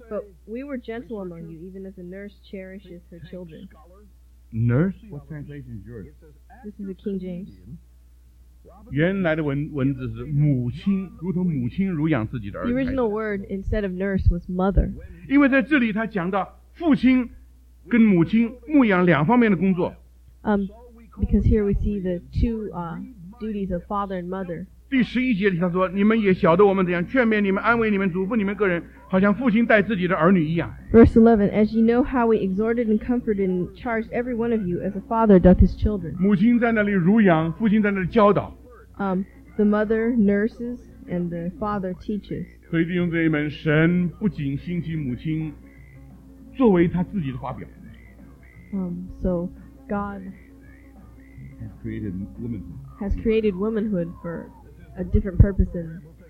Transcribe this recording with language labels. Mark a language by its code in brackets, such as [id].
[en] But we were gentle among you, even as a nurse cherishes her children. Nurse, what translation is yours? This is the King James. [zh] 原来的文字是母亲，如同母亲乳养自己的儿子。 [en] The original word instead of nurse was mother. [zh] 因为在这里他讲到父亲跟母亲牧养两方面的工作。 [en] Because here we see the two duties of father and mother. [zh] 第十一节里他说，你们也晓得我们怎样劝勉你们、安慰你们、嘱咐你们个人，好像父亲待自己的儿女一样。 [en] Verse 11, as you know how we exhorted and comforted and charged every one of you as a father doth his children. [zh] 母亲在那里乳养，父亲在那里教导。 [en] The mother nurses and the father teaches. [zh] 所以弟兄姊妹们，神不仅兴起母亲作为他自己的发表。 [en] So God has created womanhood. Has created womanhood for a different purpose than